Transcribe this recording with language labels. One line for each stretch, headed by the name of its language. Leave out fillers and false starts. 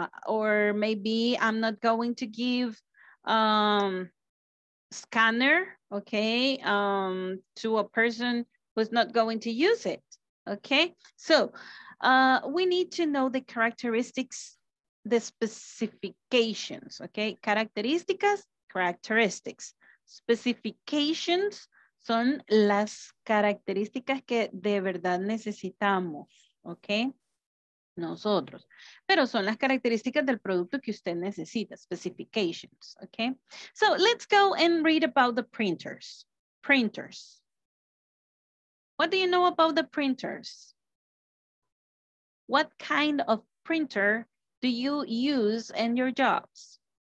English: Or maybe I'm not going to give scanner, okay, to a person who's not going to use it, okay? So we need to know the characteristics, the specifications, okay?
Spanish: Características, characteristics. Specifications son las características que de verdad necesitamos, okay? Nosotros. Pero son las características del producto que usted necesita, specifications, okay?
English: So let's go and read about the printers. Printers. What do you know about the printers? What kind of printer do you use in your jobs?